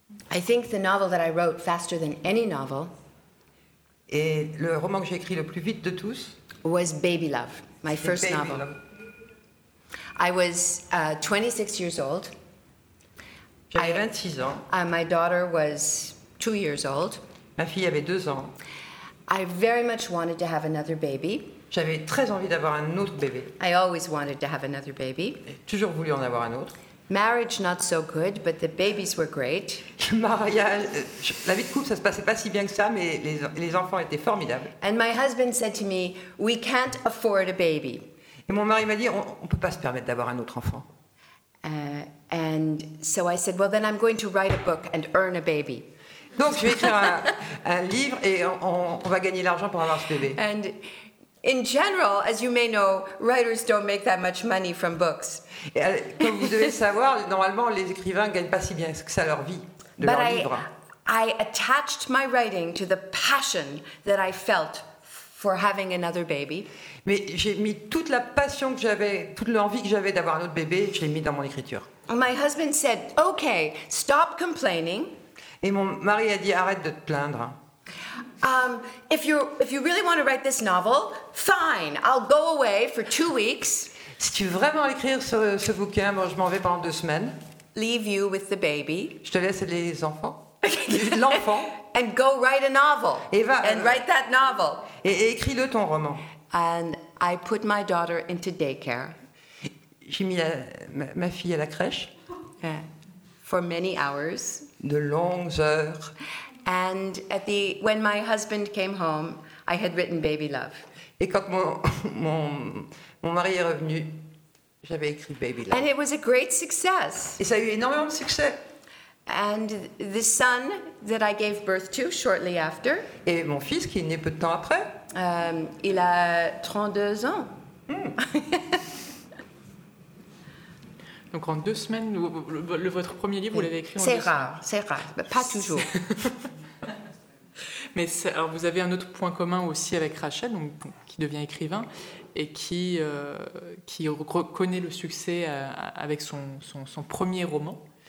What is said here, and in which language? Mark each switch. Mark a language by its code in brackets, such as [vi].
[en] I think the novel that I wrote faster than any novel. [fr] Et le roman que j'ai écrit le plus vite de tous. [en] Was Baby Love, my first Baby novel. Love. I was 26 years old. [fr] J'avais 26 ans. [en] My daughter was 2 years old. [fr] Ma fille avait 2 ans. [en] I very much wanted to have another baby. [fr] J'avais très envie d'avoir un autre bébé. [en] I always wanted to have another baby. [fr] J'ai toujours voulu en avoir un autre. [en] Marriage not so good, but the babies were great. [fr] Le mariage, la vie de couple, ça se passait pas si bien que ça, mais les enfants étaient formidables. [en] And my husband said to me, "We can't afford a baby." [fr] Et mon mari m'a dit, on peut pas se permettre d'avoir un autre enfant. [en] And so I said, "Well, then I'm going to write a book and earn a baby." [fr] Donc je vais écrire un livre et on va gagner l'argent pour avoir ce bébé. [en] And in general, as you may know, writers don't make that much money from books. [fr] Et, comme vous devez savoir, normalement les écrivains gagnent pas si bien que ça leur vie de [en] But [fr] leur livre. [en] I attached my writing to the passion that I felt for having another baby. [fr] Mais j'ai mis toute la passion que j'avais, toute l'envie que j'avais d'avoir un autre bébé, je l'ai mis dans mon écriture. [en] My husband said, "Okay, stop complaining." [fr] Et mon mari a dit, arrête de te plaindre. [en] If you really want to write this novel, fine, I'll go away for 2 weeks. [fr] Si tu veux vraiment écrire ce bouquin, bon, je m'en vais pendant 2 semaines. [en] Leave you with the baby. [fr] Je te laisse les enfants. L'enfant. [en] And go write a novel. [fr] Et va. [en] And write that novel. [fr] Et écris-le ton roman. [en] And I put my daughter into daycare. [fr] J'ai mis ma fille à la crèche. Yeah. [en] For many hours. [fr] De longues heures. [en] And at the when my husband came home, I had written Baby Love. [fr] Et quand mon mari est revenu, j'avais écrit Baby Love. [en] And it was a great success. [fr] Et ça a eu énormément de succès. [en] And the son that I gave birth to shortly after. [fr] Et mon fils qui est né peu de temps après. Il a 32 ans. Donc en 2 semaines, votre premier livre, vous l'avez écrit en 2 semaines. C'est rare, mais pas toujours. Mais alors vous avez un autre point commun aussi avec Rachel, donc, qui devient écrivain et qui reconnaît le succès avec son premier roman.